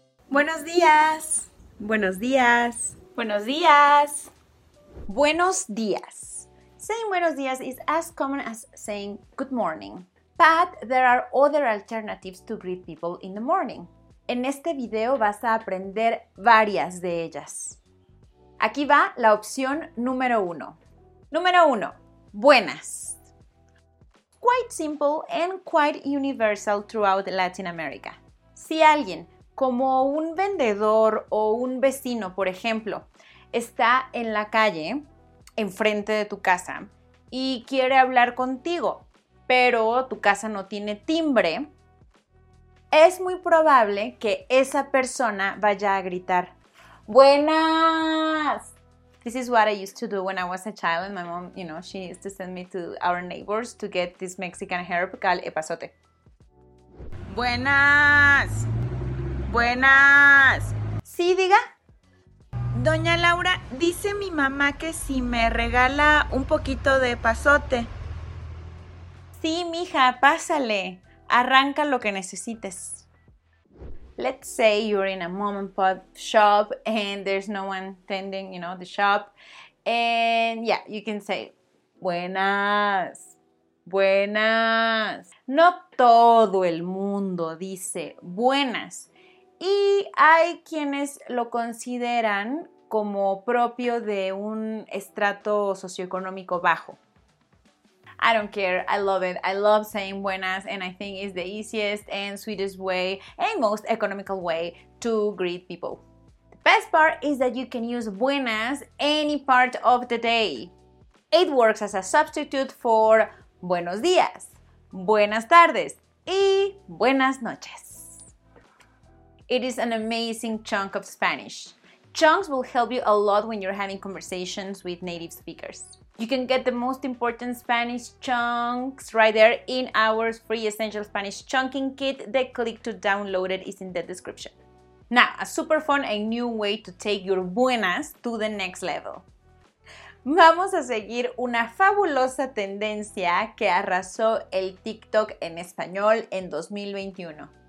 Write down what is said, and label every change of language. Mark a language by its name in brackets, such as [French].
[Spanish] Buenos días. Buenos días. Buenos días. Buenos días. [English] Saying buenos días is as common as saying good morning. But there are other alternatives to greet people in the morning. [Spanish] En este video vas a aprender varias de ellas. Aquí va la opción número uno. Número uno, buenas. [English] Quite simple and quite universal throughout Latin America. [Spanish] Si alguien, como un vendedor o un vecino, por ejemplo, está en la calle, enfrente de tu casa, y quiere hablar contigo, pero tu casa no tiene timbre, es muy probable que esa persona vaya a gritar, ¡buenas! [English] This is what I used to do when I was a child, and my mom, you know, she used to send me to our neighbors to get this Mexican herb called epazote. [Spanish] ¡Buenas! ¡Buenas! Sí, diga. Doña Laura, dice mi mamá que si me regala un poquito de epazote. Sí, mija, pásale. Arranca lo que necesites. [English] Let's say you're in a mom and pop shop and there's no one tending, you know, the shop. And yeah, you can say, buenas, buenas. [Spanish] No todo el mundo dice buenas. Y hay quienes lo consideran como propio de un estrato socioeconómico bajo. [English] I don't care, I love it. I love saying buenas and I think it's the easiest and sweetest way and most economical way to greet people. The best part is that you can use buenas any part of the day. It works as a substitute for [Spanish] buenos días, buenas tardes y buenas noches. [English] It is an amazing chunk of Spanish. Chunks will help you a lot when you're having conversations with native speakers. You can get the most important Spanish chunks right there in our free essential Spanish chunking kit. The link to download it is in the description. Now, a super fun and new way to take your buenas to the next level. [Spanish] Vamos a seguir una fabulosa tendencia que arrasó el TikTok en español en 2021.